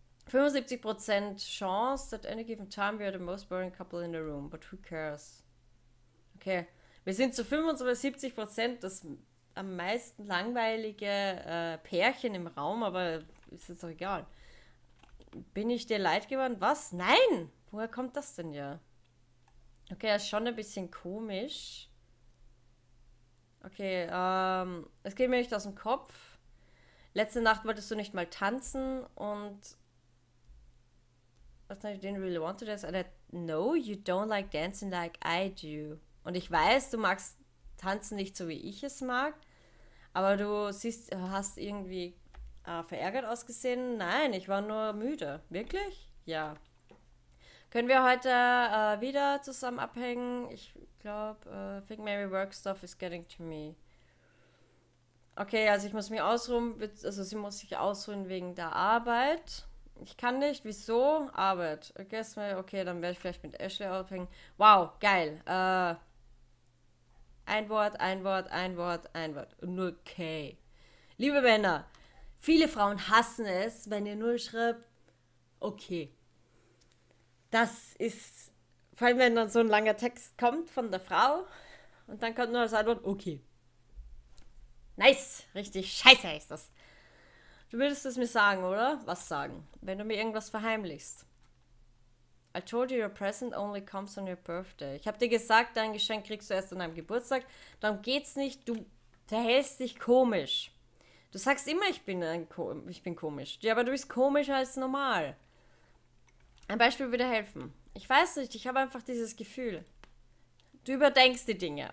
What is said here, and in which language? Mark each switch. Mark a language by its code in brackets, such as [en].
[en] 75% Chance that any given time we are the most boring couple in the room, but who cares? [de] Okay, wir sind zu 75% das am meisten langweilige Pärchen im Raum, aber ist jetzt auch egal. Bin ich dir leid geworden? Was? Nein! Woher kommt das denn ja? Okay, er ist schon ein bisschen komisch. Okay, es geht mir nicht aus dem Kopf. Letzte Nacht wolltest du nicht mal tanzen und. Was? [en] You didn't really want to dance? And I know you don't like dancing like I do. [de] Und ich weiß, du magst tanzen nicht so wie ich es mag, aber du hast irgendwie verärgert ausgesehen. Nein, ich war nur müde. Wirklich? Ja. Können wir heute wieder zusammen abhängen? Ich glaube, [en] think maybe work stuff is getting to me. [de] Okay, also ich muss mich ausruhen, also sie muss sich ausruhen wegen der Arbeit. Ich kann nicht. Wieso? Arbeit. Okay, dann werde ich vielleicht mit Ashley abhängen. Wow, geil. Ein Wort, ein Wort, ein Wort, ein Wort. Okay. Liebe Männer, viele Frauen hassen es, wenn ihr nur schreibt, okay. Das ist, vor allem wenn dann so ein langer Text kommt von der Frau und dann kommt nur das Antwort, okay. Nice, richtig scheiße ist das. Du würdest es mir sagen, oder? Was sagen, wenn du mir irgendwas verheimlichst? [en] I told you your present only comes on your birthday. [de] Ich habe dir gesagt, dein Geschenk kriegst du erst an deinem Geburtstag. Darum geht's nicht. Du verhältst dich komisch. Du sagst immer, ich bin komisch. Ja, aber du bist komischer als normal. Ein Beispiel würde helfen. Ich weiß nicht, ich habe einfach dieses Gefühl. Du überdenkst die Dinge.